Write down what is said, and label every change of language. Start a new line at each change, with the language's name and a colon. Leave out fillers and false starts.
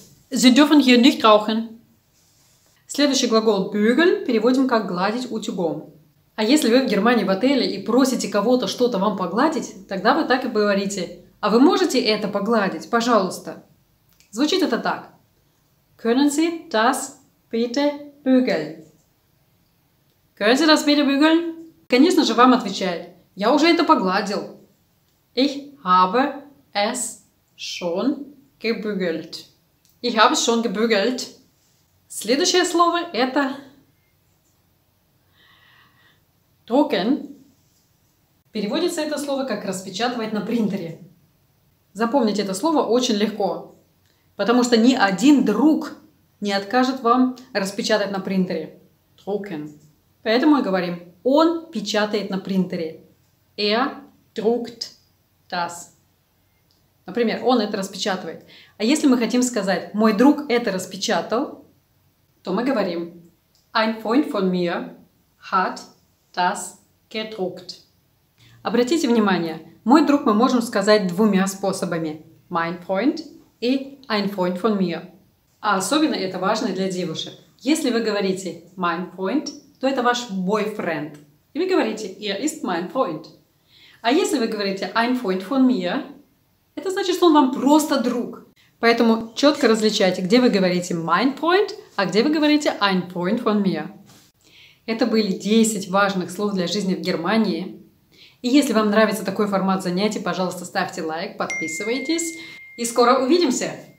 German: Sie dürfen hier nicht rauchen.
Russian: Следующий глагол bügeln переводим как гладить утюгом. А если вы в Германии в отеле и просите кого-то что-то вам погладить, тогда вы так и говорите «А вы можете это погладить, пожалуйста?» Звучит это так.
German: Können Sie das bitte bügeln? Können Sie das bitte bügeln?
Russian: Конечно же, вам отвечает. Я уже это погладил.
German: Ich habe es schon gebügelt. Ich habe es schon gebügelt.
Russian: Следующее слово – это
German: drucken.
Russian: Переводится это слово как «распечатывать на принтере». Запомнить это слово очень легко, потому что ни один друг не откажет вам распечатать на принтере.
German: Drucken.
Russian: Поэтому мы говорим, он печатает на принтере.
German: Er druckt das.
Russian: Например, он это распечатывает. А если мы хотим сказать, мой друг это распечатал, то мы говорим,
German: ein Freund von mir hat das gedruckt.
Russian: Обратите внимание, мой друг мы можем сказать двумя способами.
German: Mein Freund и ein Freund von mir.
Russian: А особенно это важно для девушек. Если вы говорите
German: mein Freund,
Russian: то это ваш boyfriend. И вы говорите
German: er ist mein Freund.
Russian: А если вы говорите
German: ein Freund von mir,
Russian: это значит, что он вам просто друг. Поэтому четко различайте, где вы говорите
German: mein Freund,
Russian: а где вы говорите
German: ein Freund von mir.
Russian: Это были 10 важных слов для жизни в Германии. И если вам нравится такой формат занятий, пожалуйста, ставьте лайк, подписывайтесь. И скоро увидимся.